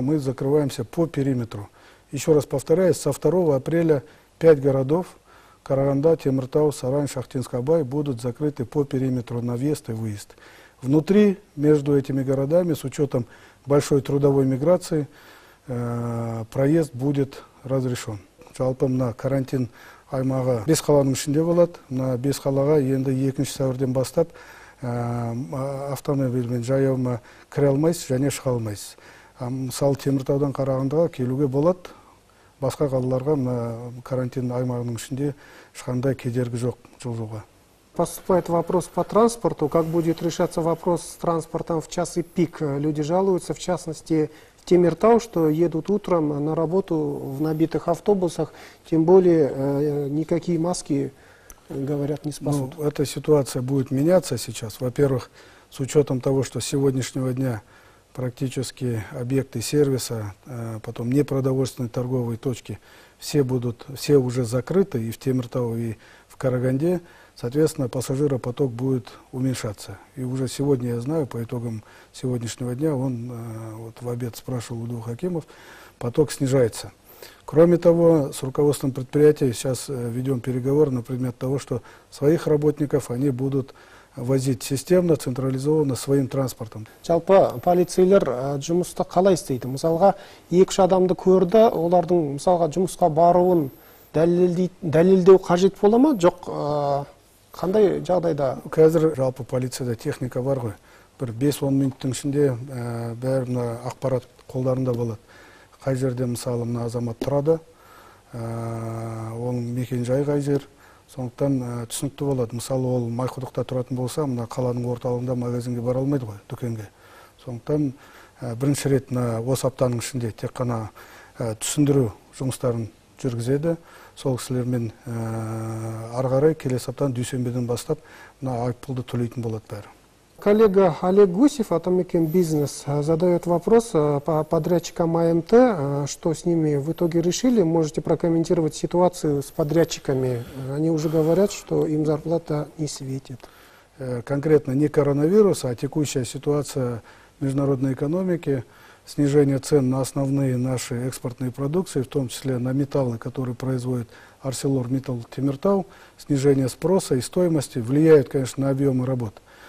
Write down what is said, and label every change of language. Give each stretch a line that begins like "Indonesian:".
Russian: Мы закрываемся по периметру. Еще раз повторяюсь, со 2 апреля 5 городов Караганда, Темиртау, Сарань, Шахтинск-Абай будут закрыты по периметру на въезд и выезд. Внутри, между этими городами, с учетом большой трудовой миграции, проезд будет разрешен.
Kazakh: Жалпы мына карантин аймағы 5 қаланың ішінде болады. Мына 5 қалаға енді 2 сәуірден бастап автомобильмен жаяуыма кіре алмайсыз және шыға алмайсыз. Мысалы, Теміртаудан Қарағандыға келуге болады. басқа қалаларға карантин аймағының ішінде ешқандай кедергі жоқ жылжуға.
Russian: Поступает вопрос по транспорту. Как будет решаться вопрос с транспортом в часы пик? Люди жалуются, в частности, в Темиртау, что едут утром на работу в набитых автобусах, тем более никакие маски, говорят, не спасут. Ну, эта ситуация будет меняться сейчас. Во-первых, с учетом того, что с сегодняшнего дня практически объекты сервиса, потом непродовольственные торговые точки, все уже закрыты и в Темиртау, и в Караганде. Соответственно, пассажиропоток будет уменьшаться. И уже сегодня, я знаю, по итогам сегодняшнего дня, он вот в обед спрашивал у двух акимов, поток снижается. Кроме того, с руководством предприятия сейчас ведем переговоры на предмет того, что своих работников они будут возить системно, централизованно, своим транспортом.
Kazakh: Жалпы полицейлер жұмысты қалай істейді? Мысалға, екі адамды көрді, олардың, мысалға, жұмысқа баруын дәлелдеу қажет бола ма? Жоқ, қандай жағдайда? Қазір жалпы полицияда техника бар ғой. Бір 5-10 минуттың ішінде бәрін ақпарат қолдарында болады. Қай жерде, мысалы, мына азамат тұрады, оның мекен жай қай жер, сондықтан түсінікті болады. Мысалы, ол Майқұдықта тұратын болса, мына қаланың орталығында магазинге бара алмайды ғой, дүкенге. Сондықтан бірінші рет осы аптаның ішінде тек қана түсіндіру жұмыстарын жүргізеді. Сол кісілермен арғарай келесі аптан дүйсенбеден бастап мына айыппұлды төлейтін болады бәрі.
Russian: Коллега Олег Гусев, Атамекен Бизнес, задает вопрос по подрядчикам АМТ. Что с ними в итоге решили? Можете прокомментировать ситуацию с подрядчиками? Они уже говорят, что им зарплата не светит. Конкретно не коронавирус, а текущая ситуация в международной экономике, снижение цен на основные наши экспортные продукции, в том числе на металлы, которые производит ArcelorMittal Темиртау, снижение спроса и стоимости влияет, конечно, на объемы работ.